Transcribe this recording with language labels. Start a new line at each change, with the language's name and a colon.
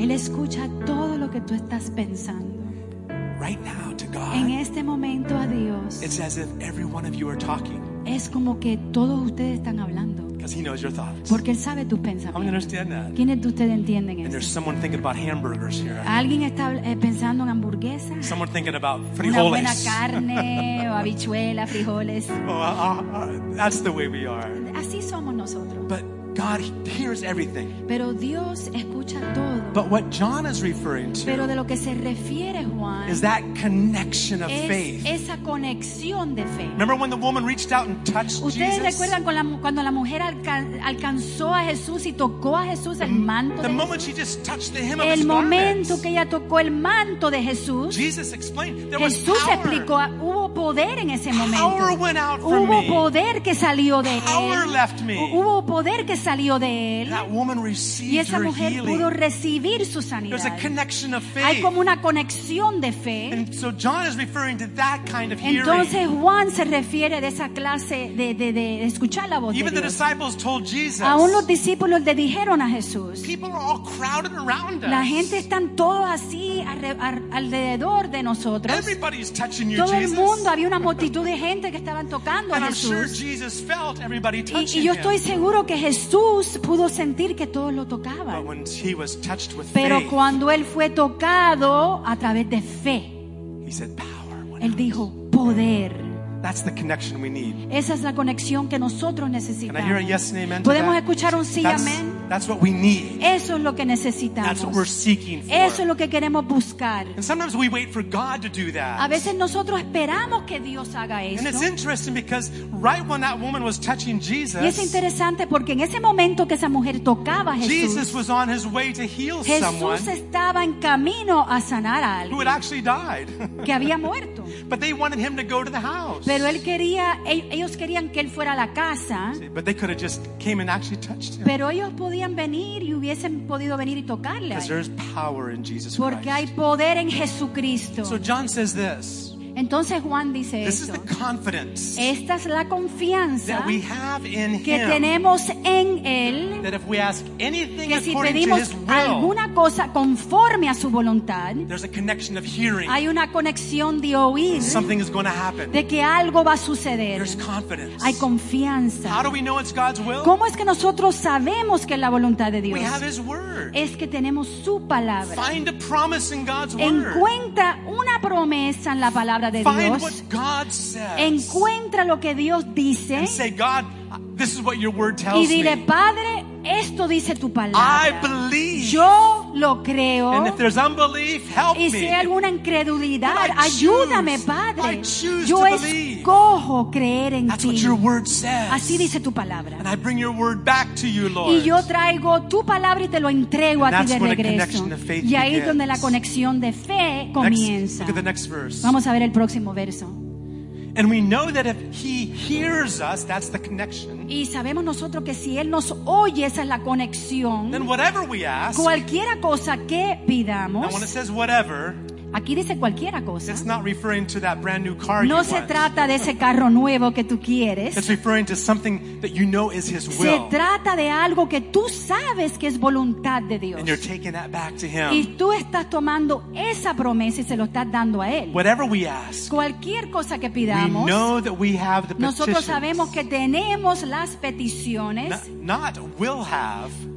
Spanish: Él escucha todo lo que tú estás pensando.
English: Right now to God.
Spanish: En este momento a Dios.
English: It's as if every one of you are talking.
Spanish: es como que todos ustedes están hablando.
English: Because he knows your thoughts.
Spanish: Porque él sabe tus pensamientos.
English: I understand that.
Spanish: ¿Quiénes de ustedes entienden eso?
English: And there's someone thinking about hamburgers here.
Spanish: Alguien está pensando en hamburguesas.
English: Someone thinking about frijoles.
Spanish: Una buena carne o habichuela, frijoles.
English: That's the way we are.
Spanish: Así somos nosotros.
English: But God hears everything.
Spanish: Pero Dios escucha todo.
English: But what John is referring to,
Spanish: pero de lo que se refiere Juan,
English: is that connection of
Spanish: es
English: faith.
Spanish: Esa conexión de fe.
English: Remember when the woman reached out and touched
Spanish: ¿ustedes
English: Jesus?
Spanish: ¿Ustedes recuerdan cuando la mujer alcanzó a Jesús y tocó a Jesús el manto
English: the
Spanish: Jesús?
English: She just touched the hem
Spanish: el
English: of his garment.
Spanish: El momento que ella tocó el manto de Jesús.
English: Jesus explained there
Spanish: Jesús
English: was power.
Spanish: Explicó, hubo poder en ese momento.
English: Power went out from
Spanish: hubo
English: me.
Spanish: Poder que salió de
English: power
Spanish: él.
English: Left me.
Spanish: Hubo poder que salió de él.
English: That woman received
Spanish: y esa mujer
English: healing.
Spanish: Pudo recibir su sanidad.
English: There's a connection of faith.
Spanish: Hay como una conexión de fe.
English: And so John is referring to that kind of hearing.
Spanish: Entonces Juan se refiere de esa clase de escuchar la voz
English: even
Spanish: de Dios.
English: The disciples told Jesus,
Spanish: aún los discípulos le dijeron a Jesús.
English: People are all crowded around us.
Spanish: La gente están todos así alrededor de nosotros.
English: Everybody's touching you,
Spanish: todo
English: Jesus.
Spanish: El mundo había una multitud de gente que estaban tocando
English: and
Spanish: a Jesús.
English: I'm sure Jesus felt everybody touching
Spanish: y yo
English: him.
Spanish: Estoy seguro que Jesús pudo sentir que todos lo tocaban.
English: But when he was touched with
Spanish: pero
English: faith,
Spanish: cuando él fue tocado a través de fe,
English: he said, power
Spanish: él
English: out.
Spanish: Dijo poder.
English: That's the connection we need.
Spanish: Esa es la conexión que nosotros necesitamos.
English: Can I hear a yes and amen to
Spanish: podemos
English: that?
Spanish: Escuchar un sí y amén.
English: That's what we need.
Spanish: Eso es lo que necesitamos.
English: That's what we're seeking for.
Spanish: Eso es lo que queremos buscar.
English: And sometimes we wait for God to do that.
Spanish: A veces nosotros esperamos que Dios haga esto.
English: And it's interesting because right when that woman was touching Jesus,
Spanish: y es interesante porque en ese momento que esa mujer tocaba a Jesús,
English: Jesus was on his way to heal
Spanish: Jesús
English: someone.
Spanish: Jesús estaba en camino a sanar a alguien.
English: Who had actually died.
Spanish: Que había muerto.
English: But they wanted him to go to the house.
Spanish: Pero él quería, ellos querían que él fuera a la casa.
English: See, but they could have just came and actually touched him.
Spanish: Pero ellos podían venir y hubiesen podido venir y tocarle.
English: Because there's power in Jesus
Spanish: Christ. Porque hay poder en Jesucristo.
English: So John says this.
Spanish: Entonces Juan dice
English: this
Spanish: esto.
English: Is the confidence
Spanish: esta es la confianza
English: that we have in
Spanish: que
English: him,
Spanish: tenemos en Él
English: that if we ask anything
Spanish: que si
English: according
Spanish: pedimos
English: to his will,
Spanish: alguna cosa conforme a su voluntad
English: there's a connection of hearing,
Spanish: hay una conexión de oír
English: something is going to happen,
Spanish: de que algo va a suceder
English: there's confidence.
Spanish: Hay confianza.
English: How do we know it's God's will?
Spanish: ¿Cómo es que nosotros sabemos que es la voluntad de Dios?
English: We have his word.
Spanish: Es que tenemos su palabra.
English: Find a promise in God's word.
Spanish: Encuentra una promesa en la palabra de Dios.
English: Find what God says.
Spanish: Encuentra lo que Dios dice.
English: And say, God, this is what your word tells
Spanish: y dile, Padre, esto dice tu palabra.
English: I believe.
Spanish: Yo lo creo.
English: And if there's unbelief, help
Spanish: y si
English: me.
Spanish: Hay alguna incredulidad,
English: choose,
Spanish: ayúdame, Padre.
English: I choose
Spanish: yo
English: to
Spanish: escojo creer en
English: that's
Spanish: ti.
English: What your word says.
Spanish: Así dice tu palabra.
English: And I bring your word back to you, Lord.
Spanish: Y yo traigo tu palabra y te lo entrego
English: and
Spanish: a ti de regreso.
English: A connection of faith
Spanish: y ahí
English: begins.
Spanish: Es donde la conexión de fe comienza.
English: Look at the next verse.
Spanish: Vamos a ver el próximo verso.
English: And we know that if he hears us, that's the connection.
Spanish: Y sabemos nosotros que si él nos oye, esa es la conexión.
English: Then whatever we ask,
Spanish: cualquiera cosa que pidamos.
English: Now when it says whatever,
Spanish: aquí dice cualquiera cosa.
English: It's not referring to that brand new car
Spanish: no
English: you
Spanish: se
English: want.
Spanish: Trata de ese carro nuevo que tú quieres.
English: It's referring to something that you know is his will.
Spanish: Se trata de algo que tú sabes que es voluntad de Dios.
English: And you're taking that back to him.
Spanish: Y tú estás tomando esa promesa y se lo estás dando a él.
English: Whatever we ask,
Spanish: cualquier cosa que pidamos.
English: We know that we have the
Spanish: nosotros Sabemos que tenemos las peticiones.
English: Not will have.